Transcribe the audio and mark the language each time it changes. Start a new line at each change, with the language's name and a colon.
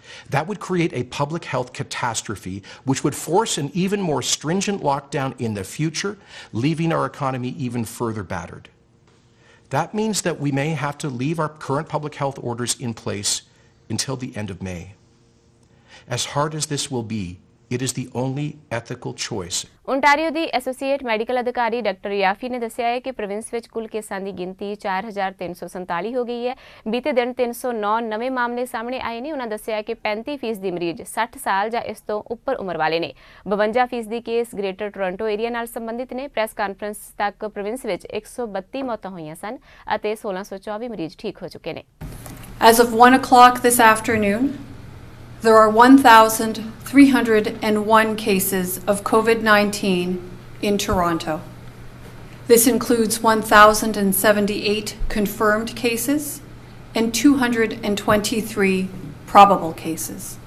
English: That would create a public health catastrophe, which would force an even more stringent lockdown in the future, leaving our economy even further battered. That means that we may have to leave our current public health orders in place until the end of May. As hard as this will be, it is the only ethical choice.
Punjabi: Ontario ਦੀ associate medical ਅਧਿਕਾਰੀ doctor ਯਾਫੀ ਨੇ ਦੱਸਿਆ ਹੈ ਕਿ province ਵਿੱਚ ਕੁੱਲ ਕੇਸਾਂ ਦੀ ਗਿਣਤੀ 4,347 ਹੋ ਗਈ ਹੈ। ਬੀਤੇ ਦਿਨ 309 ਨਵੇਂ ਮਾਮਲੇ ਸਾਹਮਣੇ ਆਏ ਨੇ। ਉਹਨਾਂ ਦੱਸਿਆ ਕਿ 35% ਮਰੀਜ਼ 60 ਸਾਲ ਜਾਂ ਇਸ ਤੋਂ ਉੱਪਰ ਉਮਰ ਵਾਲੇ ਨੇ। 52% ਕੇਸ ਗ੍ਰੇਟਰ ਟੋਰਾਂਟੋ ਏਰੀਆ ਨਾਲ ਸੰਬੰਧਿਤ ਨੇ। ਪ੍ਰੈਸ ਕਾਨਫਰੰਸ ਤੱਕ ਪ੍ਰੋਵਿੰਸ ਵਿੱਚ 132 ਮੌਤਾਂ ਹੋਈਆਂ ਸਨ ਅਤੇ 1,624 ਮਰੀਜ਼ ਠੀਕ ਹੋ ਚੁੱਕੇ ਨੇ।
English: As of 1 o'clock this afternoon, there are 1,301 cases of COVID-19 in Toronto. This includes 1,078 confirmed cases and 223 probable cases.